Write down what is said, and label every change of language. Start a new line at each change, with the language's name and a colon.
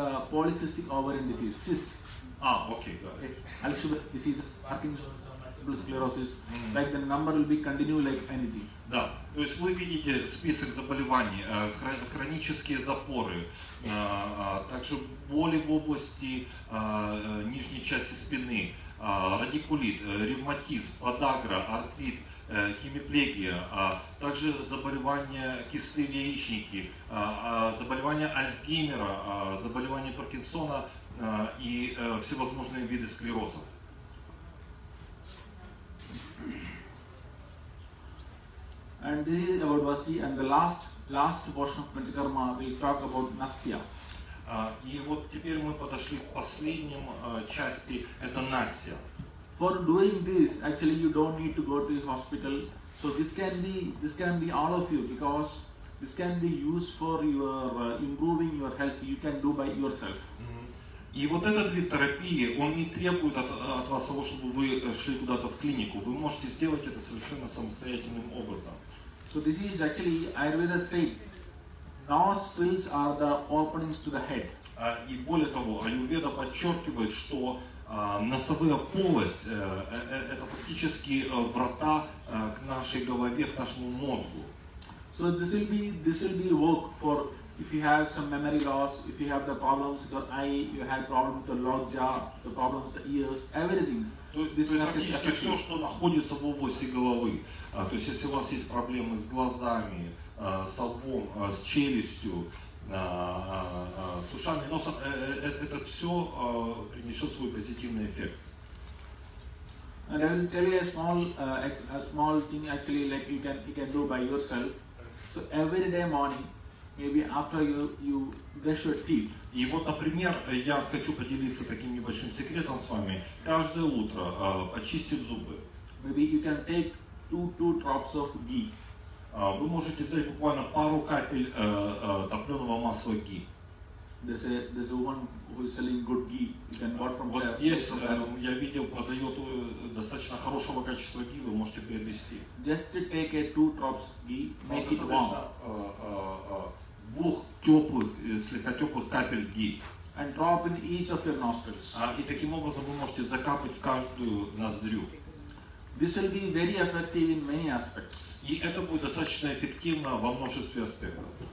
English: Polycystic ovarian disease, cyst. Okay. Alzheimer's disease, Parkinson's, multiple sclerosis. Mm-hmm. Like the number will be continue like anything.
Russian: Да, то есть вы видите список заболеваний, хронические запоры, также боли в области нижней части спины, радикулит, ревматизм, подагра, артрит, хемиплегия, также заболевания кисты в яичнике, заболевания Альцгеймера, заболевания Паркинсона и всевозможные виды склерозов.
English: And this is about Bhakti, and the last portion of Panchakarma we talk about Nasya.
Russian: И вот теперь мы подошли к последнему части, это Nasya.
English: For doing this, actually you don't need to go to the hospital. So this can be all of you, because this can be used for your improving your health. You can do by yourself.
Russian: И вот этот вид терапии, он не требует от вас того, чтобы вы шли куда-то в клинику. Вы можете сделать это совершенно самостоятельным образом.
English: So this is actually Ayurveda says, nostrils are the openings to the head.
Russian: И более того, Аюрведа подчеркивает, что носовая полость это фактически врата к нашей голове, к нашему мозгу.
English: So this will be work for if you have some memory loss, if you have the problems with your eye, you have problems with the lojja, the problems with the ears, everything.
Russian: То есть все, что находится в области головы, то есть если у вас есть проблемы с глазами, с лбом, с челюстью, с ушами, носом, это все принесет свой позитивный эффект.
English: And I will tell you a small thing actually like you can do by yourself. So every day morning, maybe after you brush your teeth.
Russian: И вот, например, я хочу поделиться таким небольшим секретом с вами. Каждое утро, очистив зубы.
English: Maybe you can take two drops of ghee.
Russian: Вы можете взять буквально пару капель топленого масла ghee.
English: There's a one who is selling good ghee. You can buy from there.
Russian: Вот здесь я видел, продает достаточно хорошего качества ghee. Вы можете приобрести.
English: Just to take two drops ghee, make it warm.
Russian: Двух теплых, слегка теплых капель ghee.
English: And drop in each of your nostrils.
Russian: И таким образом вы можете закапать в каждую ноздрю.
English: This will be very effective in many aspects.
Russian: И это будет достаточно эффективно во множестве аспектов.